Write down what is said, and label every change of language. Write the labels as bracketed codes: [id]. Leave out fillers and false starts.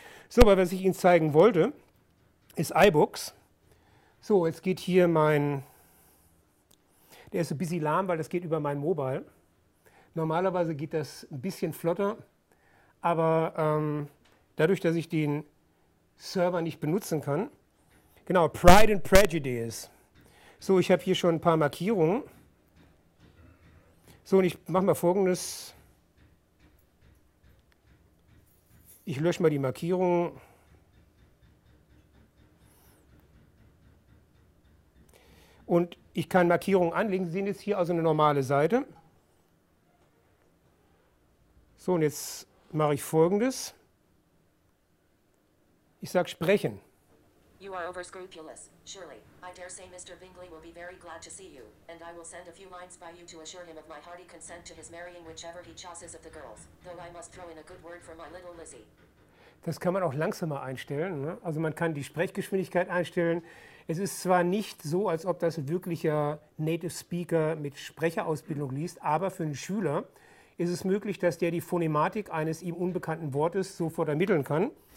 [de] So, aber was ich Ihnen zeigen wollte, ist iBooks. So, jetzt geht hier mein... Der ist ein bisschen lahm, weil das geht über mein Mobile. Normalerweise geht das ein bisschen flotter, aber dadurch, dass ich den Server nicht benutzen kann... Genau, Pride and Prejudice. So, ich habe hier schon ein paar Markierungen. So, und ich mache mal Folgendes. Ich lösche mal die Markierungen. Und ich kann Markierungen anlegen. Sie sehen jetzt hier also eine normale Seite. So, und jetzt mache ich Folgendes. Ich sage Sprechen. [en] You are overscrupulous, surely. I dare say Mr. Bingley will be very glad to see you, and I will send a few lines by you to assure him of my hearty consent to his marrying whichever he chooses of the girls, though I must throw in a good word for my little Lizzie. [de] Das kann man auch langsamer einstellen. Ne? Also man kann die Sprechgeschwindigkeit einstellen. Es ist zwar nicht so, als ob das ein wirklicher Native Speaker mit Sprecherausbildung liest, aber für einen Schüler ist es möglich, dass der die Phonematik eines ihm unbekannten Wortes sofort ermitteln kann.